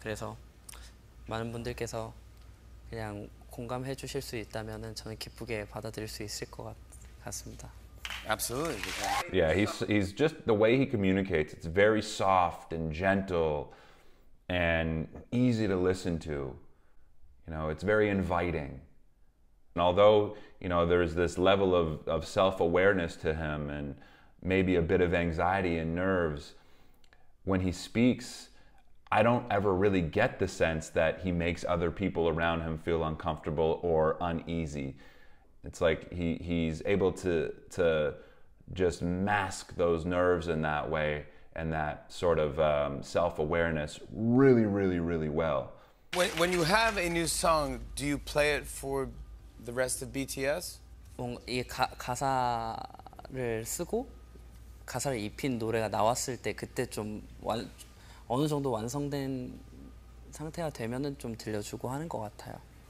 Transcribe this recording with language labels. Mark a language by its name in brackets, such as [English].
[Korean] 그래서 많은 분들께서 그냥 공감해 주실 수 있다면은 저는 기쁘게 받아들일 수 있을 것 같습니다. [English] Absolutely. Yeah, he's just the way he communicates. It's very soft and gentle and easy to listen to. You know, it's very inviting. And although, you know, there's this level of self-awareness to him and maybe a bit of anxiety and nerves, when he speaks, I don't ever really get the sense that he makes other people around him feel uncomfortable or uneasy. It's like he's able to just mask those nerves in that way and that sort of self-awareness really, really, really well. When you have a new song, do you play it for the rest of BTS? [Korean] 이 가사를 쓰고 가사를 입힌 노래가 나왔을 때 그때 좀 어느 정도 완성된 상태가 되면은 좀 들려주고 하는 것 같아요.